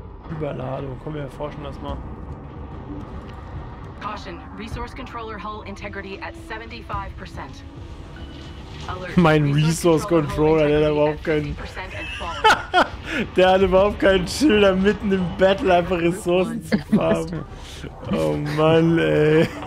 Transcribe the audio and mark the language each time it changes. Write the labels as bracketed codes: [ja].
[de] Überladung, komm, wir erforschen das mal. [en] Caution, Resource Controller Hull Integrity at 75%. [de] Mein Resource Controller, der hat überhaupt keinen. Der hat überhaupt keinen Chill, da mitten im Battle einfach Ressourcen zu farmen. Oh Mann, ey.